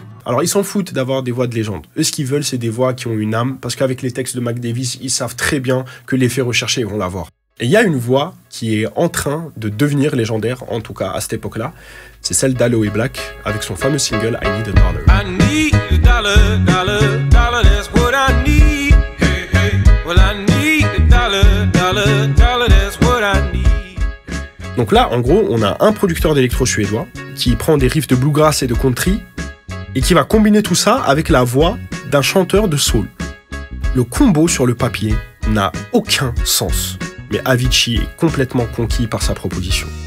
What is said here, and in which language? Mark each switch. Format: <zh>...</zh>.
<fr>Alors, ils s'en foutent d'avoir des voix de légende. Eux, ce qu'ils veulent, c'est des voix qui ont une âme, parce qu'avec les textes de Mac Davis, ils savent très bien que l'effet recherché, ils vont l'avoir. Et il y a une voix qui est en train de devenir légendaire, en tout cas à cette époque-là, c'est celle d'Aloe Black, avec son fameux single «</fr> <en>I need a dollar ». I need a dollar, dollar, dollar, that's what I need. Well, I need a dollar, dollar, dollar, that's what I need.</en> <fr>Donc là, en gros, on a un producteur d'électro suédois qui prend des riffs de bluegrass et de country et qui va combiner tout ça avec la voix d'un chanteur de soul. Le combo sur le papier n'a aucun sens, mais Avicii est complètement conquis par sa proposition.</fr>